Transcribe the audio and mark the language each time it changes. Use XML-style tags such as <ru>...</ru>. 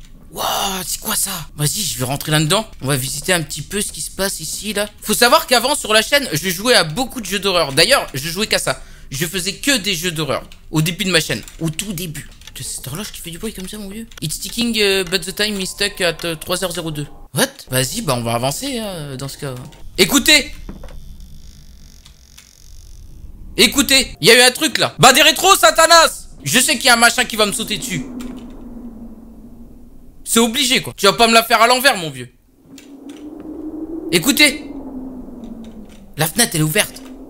<fr>Wow, c'est quoi ça? Vas-y, je vais rentrer là-dedans. On va visiter un petit peu ce qui se passe ici, là. Faut savoir qu'avant, sur la chaîne, je jouais à beaucoup de jeux d'horreur. D'ailleurs, je jouais qu'à ça. Je faisais que des jeux d'horreur. Au début de ma chaîne. Au tout début. C'est cette horloge qui fait du bruit comme ça, mon vieux.</fr> <en>It's ticking, but the time is stuck at 3h02. What?</en> <fr>Vas-y, bah on va avancer, dans ce cas. Écoutez! Écoutez! Il y a eu un truc, là. Bah, des rétros, Satanas! Je sais qu'il y a un machin qui va me sauter dessus. C'est obligé, quoi. Tu vas pas me la faire à l'envers, mon vieux. Écoutez! La fenêtre, elle est ouverte.</fr>